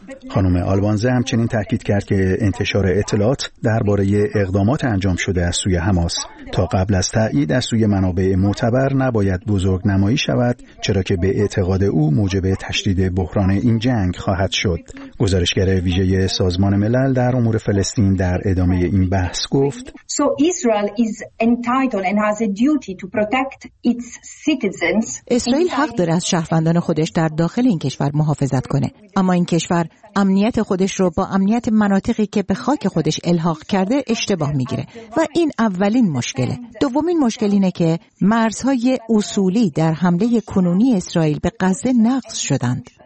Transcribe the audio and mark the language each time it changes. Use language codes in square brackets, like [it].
[fa] خانم آلبانزه همچنین تاکید کرد که انتشار اطلاعات درباره اقدامات انجام شده از سوی حماس تا قبل از تایید از سوی منابع معتبر نباید بزرگ نمایی شود، چرا که به اعتقاد او موجب تشدید بحران این جنگ خواهد شد. گزارشگر ویژه سازمان ملل در امور فلسطین در ادامه این بحث گفت: [en] So Israel is entitled and has a duty to protect its citizens. [fa] اسرائیل حق دارد از شهروندان خودش در داخل این کشور محافظت کنه، اما این کشور امنیت خودش رو با امنیت مناطقی که به خاک خودش الحاق کرده اشتباه میگیره و این اولین مشکله. دومین مشکل اینه که مرزهای اصولی در حمله کنونی اسرائیل به غزه نقض شدند.